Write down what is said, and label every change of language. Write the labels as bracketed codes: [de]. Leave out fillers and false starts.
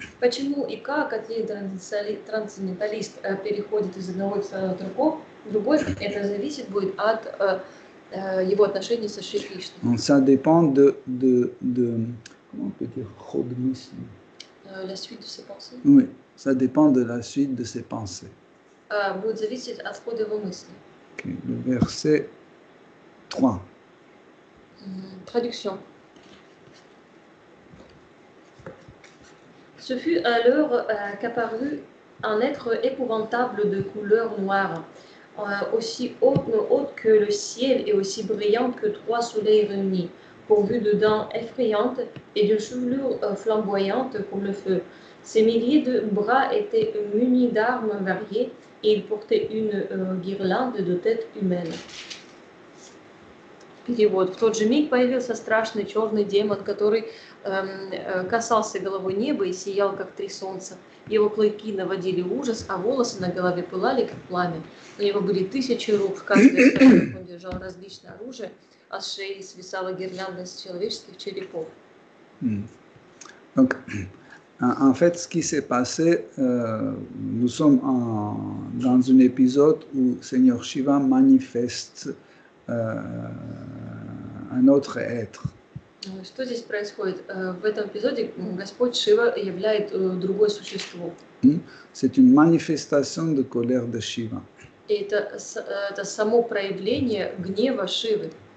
[ru] Почему и как один трансценденталист переходит из одного экстаза в другой, это зависит будет от его отношений со Шри Кришной. [fr] Donc, ça dépend de comment on peut dire chodmisme. La suite de ses pensées. Oui, ça dépend de la suite de ses pensées. [ru] Будет зависеть от хода его мысли. [fr] Okay. Le verset 3. Traduction. Ce fut alors qu'apparut un être épouvantable de couleur noire, aussi haut que le ciel et aussi brillant que trois soleils réunis, pourvu de dents effrayantes et de chevelures flamboyantes comme le feu. Ses milliers de bras étaient munis d'armes variées et il portait une guirlande de têtes humaines. [ru] перевод. В тот же миг появился страшный черный демон, который касался головы неба и сиял, как три солнца. Его клыки наводили ужас, а волосы на голове пылали, как пламя. У него были тысячи рук, в каждой из которых он держал различное оружие, а с шеи свисала гирлянда из человеческих черепов. [fr] Donc, en fait, ce qui s'est passé, nous sommes dans un épisode où Seigneur Shiva manifeste un autre être. [ru] Что здесь происходит? В этом эпизоде Господь Шива являет другое существо. [fr] C'est une manifestation de colère de Shiva. [ru] Это само проявление гнева Шивы.